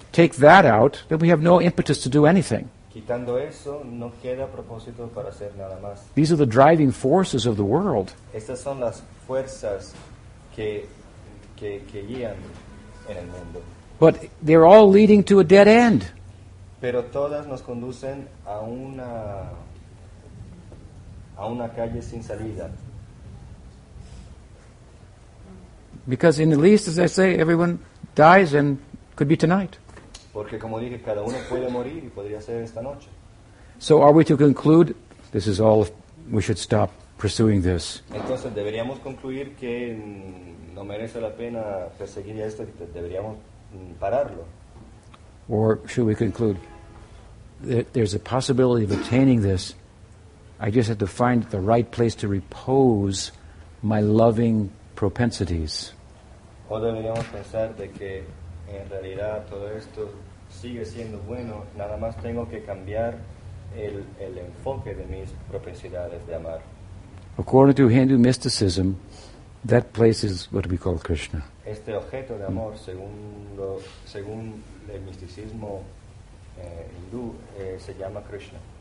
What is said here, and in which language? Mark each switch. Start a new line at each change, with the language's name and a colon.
English: Take that out, then we have no impetus to do anything.
Spanish: Quitando eso, no queda propósito para hacer nada más.
English: These are the driving forces of the world.
Spanish: Estas son las fuerzas que guían en el mundo.
English: But they're all leading to a dead end.
Spanish: Pero todas nos conducen a una calle sin salida.
English: Because in the least, as I say, everyone dies and could be tonight.
Spanish: Porque como dije, cada uno puede morir y podría ser esta noche.
English: So are we to conclude this is all, we should stop pursuing this?
Spanish: Entonces deberíamos concluir que no merece la pena perseguir esto, que deberíamos pararlo.
English: Or should we conclude that there's a possibility of attaining this? I just have to find the right place to repose my loving propensities.
Spanish: O deberíamos pensar de que en realidad todo esto sigue siendo bueno, nada más tengo que cambiar el enfoque de mis propensidades de amar.
English: According to Hindu mysticism, that place is what we call Krishna.
Spanish: Este objeto de amor, según el misticismo hindú, se llama Krishna.